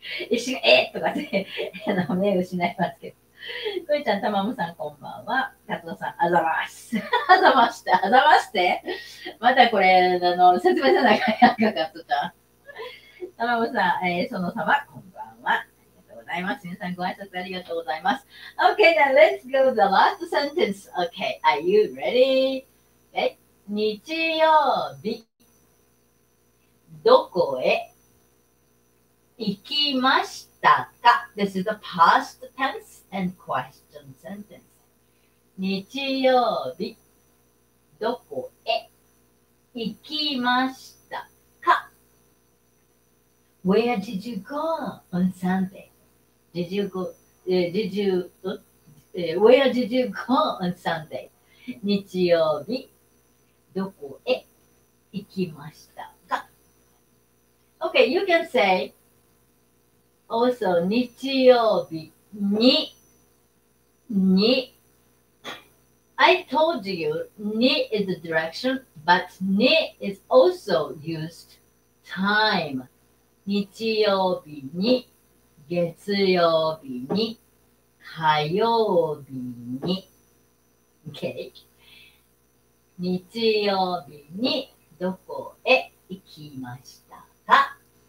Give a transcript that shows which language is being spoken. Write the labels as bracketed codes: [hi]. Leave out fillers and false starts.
[ja] 一瞬、とかって、目失いますけど。くいちゃん、たまもさん、こんばんは。かつおさん、あざまーす。あざまして、あざまして。またこれ、説明せなきゃいけないかとか。たまもさん、そのさま、こんばんは。ありがとうございます。皆さん、ご挨拶ありがとうございます。 [en] Okay, now let's go to the last sentence. Okay, are you ready? Okay, [ja] 日曜日。どこへ行きましたか? [en] This is a past tense and question sentence. [ja] 日曜日、どこへ行きましたか? [en] Where did you go on Sunday? Where did you go on Sunday? [ja] 日曜日、どこへ行きましたか? [en] Okay, you can say also [ja] 日曜日に、に。 [en] I told you に is the direction, but に is also used time. [ja] 日曜日に、月曜日に、火曜日に。 [en] Okay. [ja] 日曜日にどこへ行きましたか?